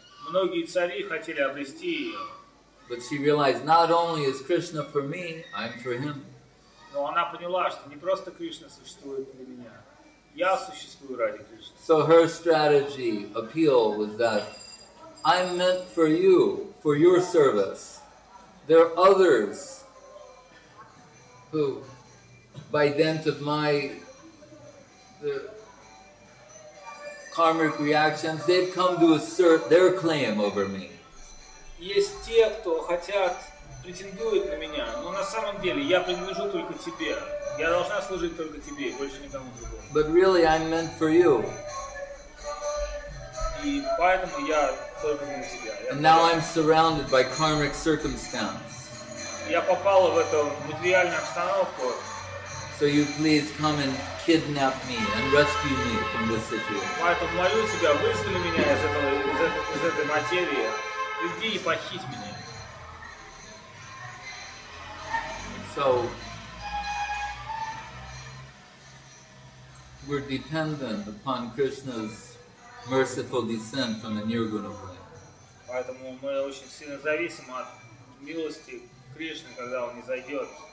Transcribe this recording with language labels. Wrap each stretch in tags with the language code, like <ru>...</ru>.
<ru>Многие цари хотели обрести ее.</ru> <en>But she realized not only is Krishna for me, I'm for him.</en> <ru>Но она поняла, что не просто Кришна существует для меня, я существую ради Кришны.</ru> <en>So her strategy appeal was that I'm meant for you, for your service. There are others who, by dint of my karmic reactions, they've come to assert their claim over me.</en> <ru>Есть те, кто хотят претендуют на меня, но на самом деле я принадлежу только тебе. Я должна служить только тебе, больше никому другому.</ru> <en>But really, I'm meant for you.</en> <ru>И поэтому я только для тебя.</ru> <en>And now I'm surrounded by karmic circumstance.</en> <ru>Я попала в эту материальную обстановку.</ru> <en>So you please come and kidnap me and rescue me from this situation. So we're dependent upon Krishna's merciful descent from the Nirguna plane.</en> <ru>Поэтому мы очень сильно зависим от милости Кришны, когда он изойдет.</ru>